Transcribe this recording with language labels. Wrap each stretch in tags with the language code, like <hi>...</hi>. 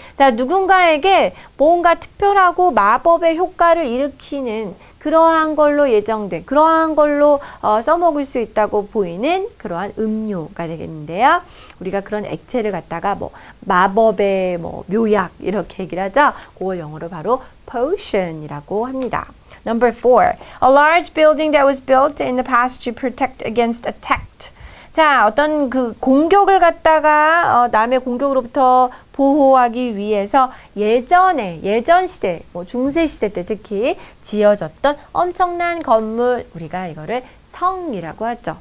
<ko>자, 누군가에게 뭔가 특별하고 마법의 효과를 일으키는 그러한 걸로 예정된, 그러한 걸로 써먹을 수 있다고 보이는 그러한 음료가 되겠는데요. 우리가 그런 액체를 갖다가 뭐 마법의 뭐 묘약 이렇게 얘기를 하죠. 그걸 영어로 바로 potion이라고 합니다.</ko> <en>Number four, a large building that was built in the past to protect against attacked.</en> <ko>자, 어떤 그 공격을 갖다가 남의 공격으로부터 보호하기 위해서 예전에, 예전 시대, 뭐 중세 시대 때 특히 지어졌던 엄청난 건물, 우리가 이거를 성이라고 하죠.</ko>